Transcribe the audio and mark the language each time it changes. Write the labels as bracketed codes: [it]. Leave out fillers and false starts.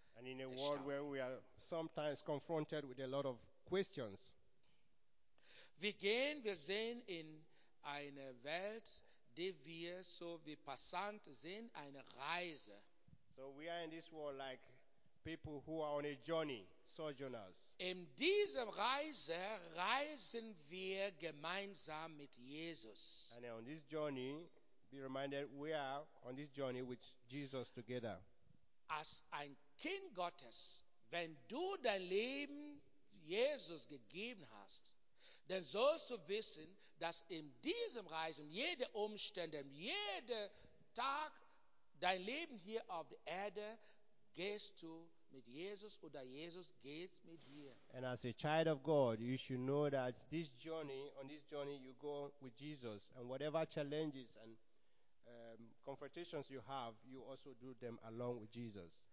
[en] And in a world where we are sometimes confronted with a lot of questions. [de] Wir gehen, wir sehen in eine Welt, die wir so wie Passant sehen, eine Reise. [en] So we are in this world like people who are on a journey, sojourners. [de] In dieser Reise reisen wir gemeinsam mit Jesus. [en] And on this journey, be reminded, we are on this journey with Jesus together. [de] As ein Kind Gottes, wenn du dein Leben Jesus gegeben hast, dann sollst du wissen, dass in diesem Reisen, jede Umstände, jeder Tag, dein Leben hier auf der Erde, gehst du mit Jesus oder Jesus geht mit dir. [en] And as a child of God, you should know that this journey, on this journey, you go with Jesus. And whatever challenges and confrontations you have, you also do them along with Jesus.